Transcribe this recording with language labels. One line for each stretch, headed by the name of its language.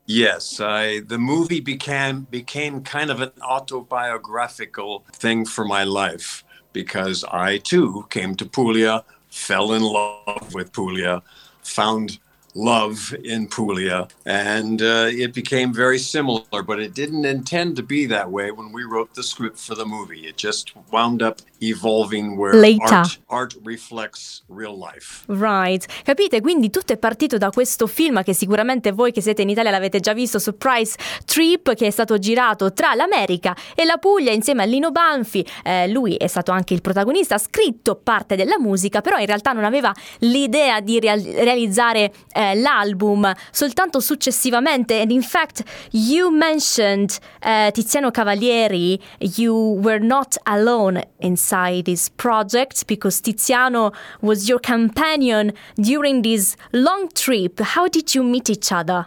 English: Yes, the movie became kind of an autobiographical thing for my life, because I too came to Puglia, fell in love with Puglia, found love in Puglia, and it became very similar, but it didn't intend to be that way when we wrote the script for the movie. It just wound up evolving where art reflects real life. Right.
Italian: Capite? Quindi tutto è partito da questo film che sicuramente voi che siete in Italia l'avete già visto, Surprise Trip, che è stato girato tra l'America e la Puglia insieme a Lino Banfi. Lui è stato anche il protagonista, ha scritto parte della musica, però in realtà non aveva l'idea di realizzare l'album soltanto successivamente.
English: And in fact, you mentioned, Tiziano Cavalieri, you were not alone inside this project because Tiziano was your companion during this long trip. How did you meet each other?